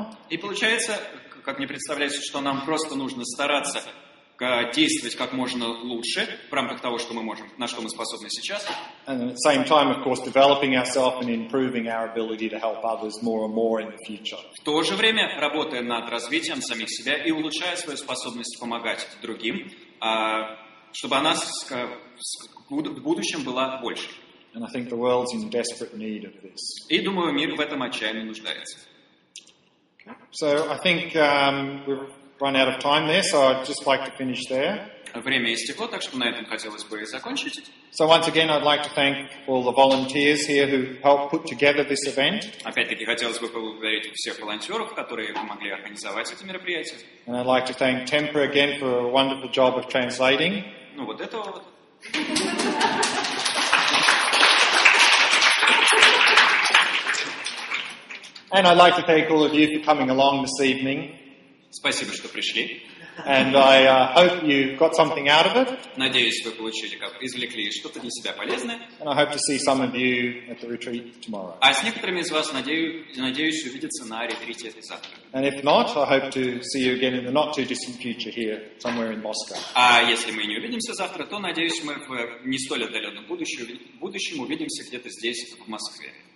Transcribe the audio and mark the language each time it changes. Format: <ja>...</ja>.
<ru>И получается, как мне представляется, что нам просто нужно стараться действовать как можно лучше в рамках того, что мы можем, на что мы способны сейчас.</ru> <en>And at the same time, of course, developing ourselves and improving our ability to help others more and more in the future.</en> <ru>В то же время, работая над развитием самих себя и улучшая свою способность помогать другим, чтобы она в будущем была больше.</ru> <en>And I think the world's in desperate need of this.</en> <ru>И думаю, мир в этом отчаянно нуждается.</ru> <en>So I think run out of time there, so I'd just like to finish there.</en> <ru>Время истекло, так что на этом хотелось бы и закончить.</ru> <en>So once again, I'd like to thank all the volunteers here who helped put together this event.</en> <ru>Опять-таки хотелось бы поблагодарить всех волонтеров, которые помогли организовать это мероприятие.</ru> <en>And I'd like to thank Temper again for a wonderful job of translating.</en> <ru>Ну вот это вот.</ru> <en>And I'd like to thank all of you for coming along this evening.</en> <ru>Спасибо, что пришли.</ru> <en>And I hope you got something out of it.</en> <ru>Надеюсь, вы получили, как извлекли что-то для себя полезное.</ru> <en>And I hope to see some of you at the retreat tomorrow.</en> <ru>А с некоторыми из вас надеюсь увидеться на ретрите завтра.</ru> <en>And if not, I hope to see you again in the not too distant future here, somewhere in Moscow.</en> <ru>А если мы не увидимся завтра, то надеюсь, мы в не столь отдаленном будущем увидимся где-то здесь в Москве.</ru>